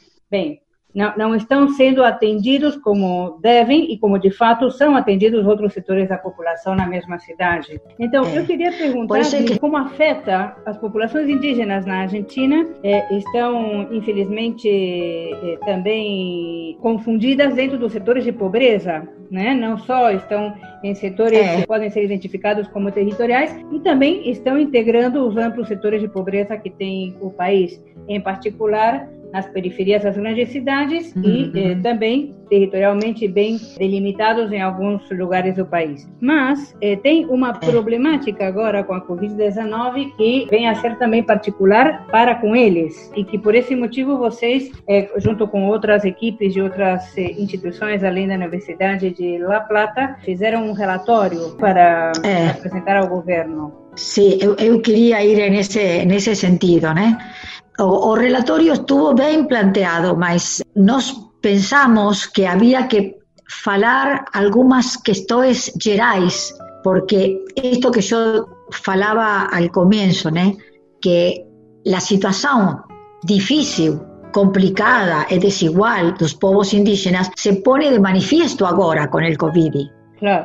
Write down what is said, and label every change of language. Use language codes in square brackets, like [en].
[es] Bien, no están siendo atendidos como deben y como de fato son atendidos otros sectores de la población en la misma ciudad. Entonces, yo quería preguntar cómo afecta a las poblaciones indígenas en la Argentina. Están, infelizmente, también confundidas dentro de los sectores de pobreza. [pt] Não só estão em setores que podem ser identificados como territoriais, e também estão integrando os amplos setores de pobreza que tem o país, em particular nas periferias das grandes cidades e também territorialmente bem delimitados em alguns lugares do país. Mas tem uma problemática agora com a Covid-19 que vem a ser também particular para com eles e que por esse motivo vocês, junto com outras equipes de outras instituições além da Universidade de La Plata, fizeram um relatório para apresentar ao governo. Sim, eu queria ir nesse sentido, né? O relatório [es] estuvo bien planteado, mas nos pensamos que había que falar algunas cuestiones gerais, porque esto que yo falaba al comienzo, ¿no? Que la situación difícil, complicada y desigual de los pueblos indígenas se pone de manifiesto ahora con el COVID. Claro.